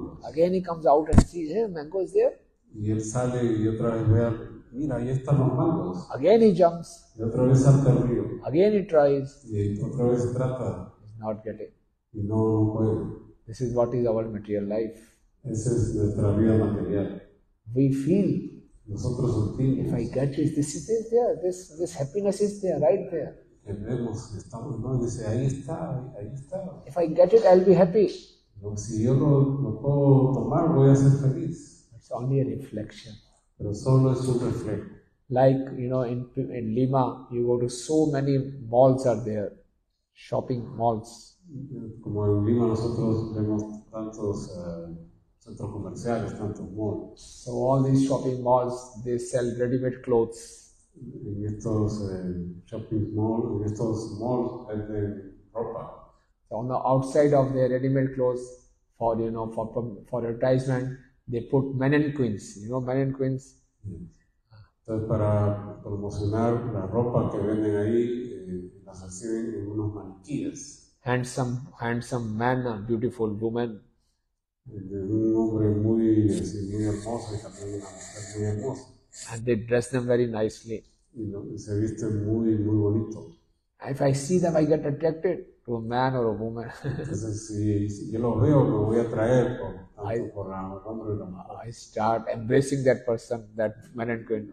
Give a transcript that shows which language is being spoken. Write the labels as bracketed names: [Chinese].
[English] Again he comes out and sees, hey, mango is there. [Spanish] Y él sale y otra vez ve, mira, ahí están los mangos. [English] Again he jumps. [Spanish] Y otra vez salta al río. [English] Again he tries. [Spanish] Y otra vez trata. [English] He's not getting. [Spanish] Y no puede. [English] This is what is our material life. [Spanish] Esa es nuestra vida material. [English] We feel. [Spanish] Nosotros sentimos. [English] If I get this, this is there. This happiness is there, right there. [Spanish] Vemos, estamos, ¿no? Dice, ahí está, ahí está. [English] If I get it, I'll be happy. [Spanish] No, si yo lo puedo tomar, voy a ser feliz. [English] It's only a reflection. [Spanish] Pero solo es un reflejo. [English] Like, you know, in Lima, you go to so many malls are there. Shopping malls. [Spanish] Como en Lima nosotros vemos tantos centros comerciales, tantos malls. [English] So all these shopping malls, they sell ready-made clothes. [Spanish] En estos shopping malls, en estos malls venden ropa. [English] So on the outside of their ready-made clothes, for you know, for advertisement, they put men and queens. You know, men and queens. [Spanish] Entonces para promocionar la ropa que venden ahí, las reciben en unos maniquíes. [English] Handsome man or beautiful woman. [Spanish] Un hombre muy, sí, muy hermoso y también una mujer muy hermosa. [English] And they dress them very nicely. [Spanish] Y, no, y se viste muy, muy bonito. [English] If I see them, I get attracted to a man or a woman. [Spanish] Entonces, si yo los veo, me voy a atraer por el hombre y la mujer. [English] I start embracing that person, that man and queen.